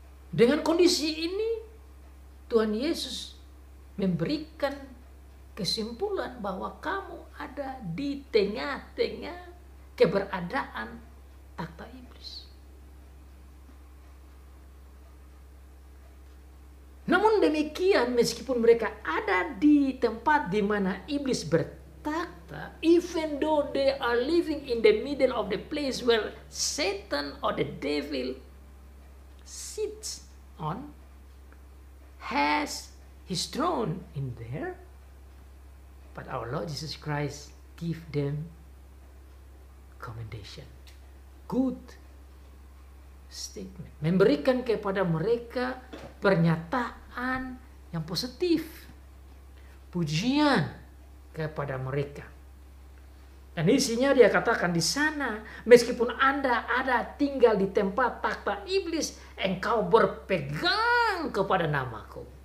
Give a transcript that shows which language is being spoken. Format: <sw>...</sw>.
<id>Dengan kondisi ini, Tuhan Yesus memberikan kesimpulan bahwa kamu ada di tengah-tengah keberadaan takhta iblis.</id> <en>Namun demikian, meskipun mereka ada di tempat di mana iblis bertakhta, even though they are living in the middle of the place where Satan or the devil sits on, has his throne in there, but our Lord Jesus Christ give them commendation. Good statement.</en> <id>Memberikan kepada mereka pernyataan yang positif. Pujian kepada mereka. Dan isinya dia katakan di sana, meskipun Anda ada tinggal di tempat takhta iblis, engkau berpegang kepada namaku.</id>